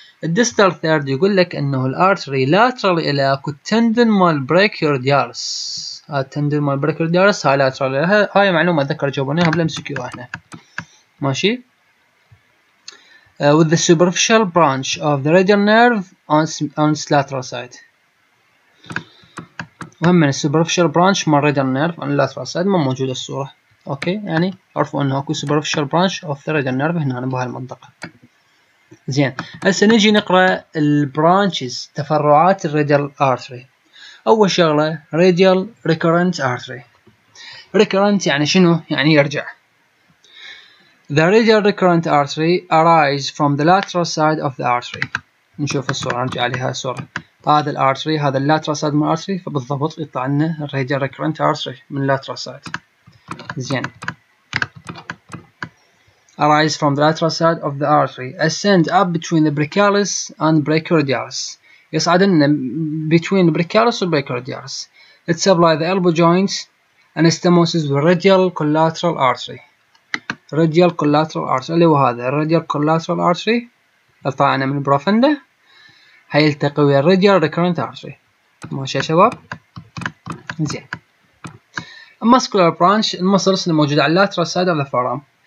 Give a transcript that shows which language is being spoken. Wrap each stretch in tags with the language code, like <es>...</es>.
<ar>The distal third يقول لك إنه الارتري lateral إلى tendon مال brachioradialis، tendon مال brachioradialis هاي lateral، هاي معلومة ذكر جابونيها بلمس كيو إحنا، ماشي؟</ar> <en>with the superficial branch of the radial nerve on its lateral side.</en> <ar>مهم من السوبرفيشال برانش مال ريدال نيرف عن اللاترال سايد ما موجوده الصوره. اوكي يعني عرفوا انه اكو سوبرفيشال برانش اوف ذا ريدال نيرف هنا بهالمنطقه. زين هسه نجي نقرا البرانشز تفرعات الريدال ارتري. اول شغله ريدال ريكورنت ارتري. ريكورنت يعني شنو؟ يعني يرجع.</ar> <en>The radial recurrent artery arise from the lateral side of the artery.</en> <ar>نشوف الصوره، نرجع عليها الصوره. هذا الارتري، هذا اللاترال سايد من الارتري، فبالضبط يطلع لنا الراديال ريكورنت ارتري من اللاترال سايد.</ar> <en>زين arise from the lateral side of the artery ascend up between the brachialis and brachioradialis.</en> <ar>يصعد لنا</ar> <en>between the brachialis and brachioradialis. It supply the elbow joints and anastomosis with radial collateral artery.</en> <ar>radial collateral artery اللي هو هذا radial collateral artery يطلعنا من البروفندا، هيلتقي ويا الراديال ريكورنت ارتري. ماشي يا شباب. زين المسكولار برانش المسلس الموجود على اللاترال سايد اوف ذا فورام.</ar>